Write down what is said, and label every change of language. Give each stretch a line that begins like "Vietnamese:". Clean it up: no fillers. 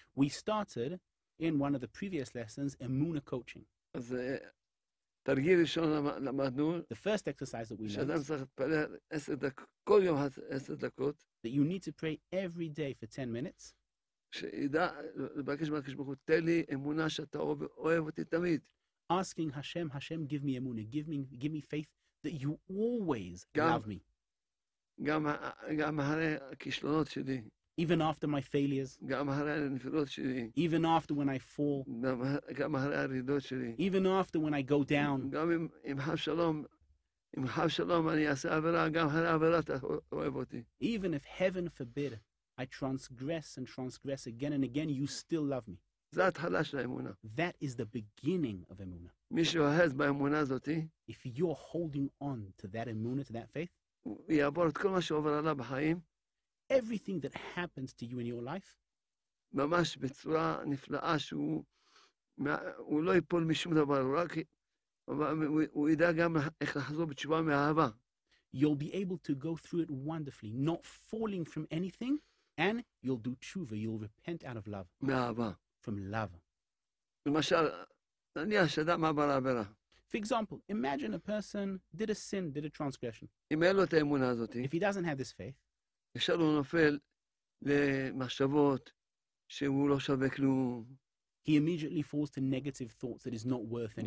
English: We started in one of the previous lessons, Emunah coaching.
Hebrew: אז תרגיל ראשון למדנו.
English: The first exercise that we learned.
Hebrew: שאדם צריך להתפלל עשר דקות, כל יום עשר דקות.
English: That you need to pray every day for 10 minutes.
Hebrew: שידע, לבקש מהקדוש ברוך הוא, תן לי אמונה שאתה אוהב אותי תמיד.
English: Asking Hashem, Hashem, give me Emunah, give me faith that you always love me.
Hebrew: גם אחרי הכישלונות שלי.
English: Even after my failures.
Hebrew: גם אחרי הנפילות שלי.
English: Even after when I fall.
Hebrew: גם אחרי הירידות שלי.
English: Even after when I go down.
Hebrew: גם אם חס שלום אני אעשה עבירה, גם אחרי עבירה אתה אוהב אותי.
English: Even if heaven forbid I transgress and transgress again and again, you still love me.
Hebrew: זה התחלה של האמונה.
English: That is the beginning of אמונה.
Hebrew: מי שאוהז באמונה הזאת.
English: If you're holding on to that אמונה, to that faith.
Hebrew: יעבור את כל מה שעובר עליו בחיים.
English: Everything that happens to you in your life.
Hebrew: ממש בצורה נפלאה שהוא לא ייפול משום דבר, רק הוא ידע גם איך לחזור בתשובה מאהבה.
English: You'll be able to go through it wonderfully, not falling from anything, and you'll do tshuva, you'll repent out of love.
Hebrew: מאהבה.
English: From love.
Hebrew: למשל, נניח שאדם עבר עבירה.
English: For example, imagine a person did a sin, did a transgression.
Hebrew: אם אין לו את האמונה הזאת.
English: If he doesn't have this faith.
Hebrew: ישר הוא נופל למחשבות שהוא לא שווה כלום.
English: He immediately falls to negative thoughts that he's not worth anything.